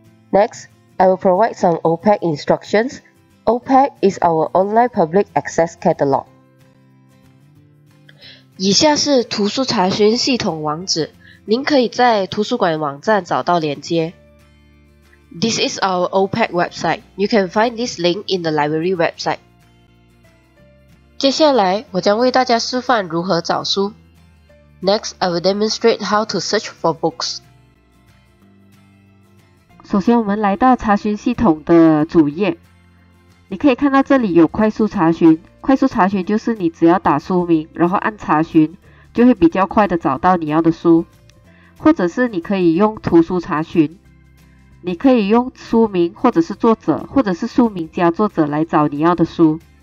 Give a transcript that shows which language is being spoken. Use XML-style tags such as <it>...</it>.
<en>Next, I will provide some OPEC instructions. OPEC is our online public access catalog.</en> <zh>以下是图书查询系统网址，您可以在图书馆网站找到连接。</zh> <en>This is our OPEC website. You can find this link in the library website.</en> <zh>接下来我将为大家示范如何找书。</zh> <en>Next, I will demonstrate how to search for books.</en> <zh>首先我们来到查询系统的主页，你可以看到这里有快速查询。快速查询就是你只要打书名，然后按查询，就会比较快的找到你要的书。或者是你可以用图书查询，你可以用书名或者是作者，或者是书名加作者来找你要的书。</zh>